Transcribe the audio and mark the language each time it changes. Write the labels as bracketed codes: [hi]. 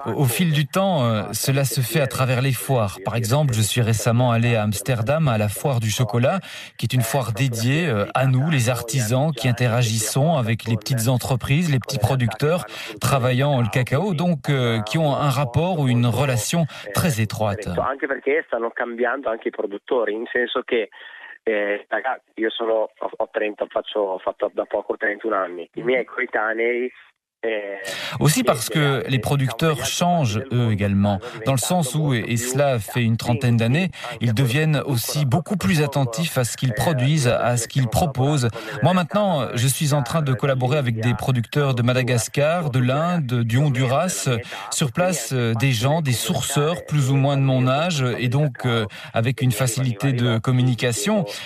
[fr] Au fil du temps, cela se fait à travers les foires. Par exemple, je suis récemment allé à Amsterdam à la foire du chocolat, qui est une foire dédiée à nous, les artisans, qui interagissons avec les petites entreprises, les petits producteurs travaillant le cacao, donc qui ont un rapport ou une relation très étroite. [it] Anche perché stanno cambiando anche i produttori, in senso che io sono ho 30, faccio ho fatto da poco 31 anni. I miei coetanei. [fr] Aussi parce que les producteurs changent eux également, dans le sens où, et cela fait une trentaine d'années, ils deviennent aussi beaucoup plus attentifs à ce qu'ils produisent, à ce qu'ils proposent. Moi maintenant, je suis en train de collaborer avec des producteurs de Madagascar, de l'Inde, du Honduras, sur place des gens, des sourceurs plus ou moins de mon âge, et donc avec une facilité de communication.